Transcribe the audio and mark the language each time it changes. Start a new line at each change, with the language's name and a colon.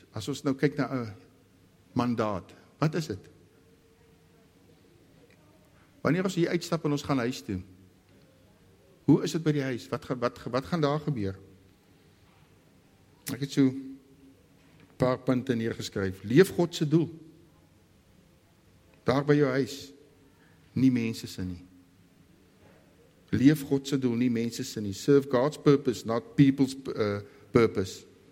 Afrikaans: As ons nou kyk na 'n mandaat, wat is het? Wanneer ons hier uitstap en ons gaan huis toe, hoe is het by die huis? Wat gaan daar gebeur? Ek het so paar punte neergeskryf. Leef God se doel. Daar by jou huis, nie mense se nie. Leef God se doel, nie mense se nie.
English: Serve God's purpose, not people's purpose.